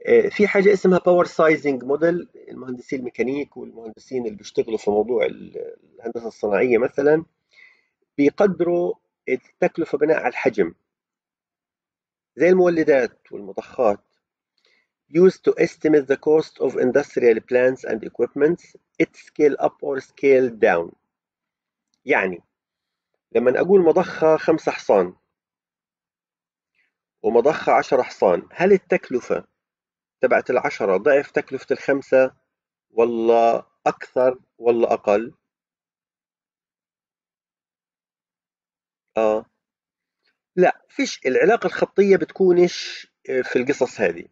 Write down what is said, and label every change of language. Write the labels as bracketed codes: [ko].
[ar] في حاجة اسمها power sizing model، المهندسين الميكانيك والمهندسين اللي بيشتغلوا في موضوع الهندسة الصناعية مثلا بيقدروا التكلفة بناء على الحجم، زي المولدات والمضخات. [en] Used to estimate the cost of industrial plants and equipment, it scale up or scale down. [ar] يعني لما أقول مضخة 5 حصان ومضخة 10 حصان، هل التكلفة تبعت العشرة ضعف تكلفة الخمسة ولا أكثر ولا أقل؟ لا، فيش العلاقة الخطية بتكونش في القصص هذه.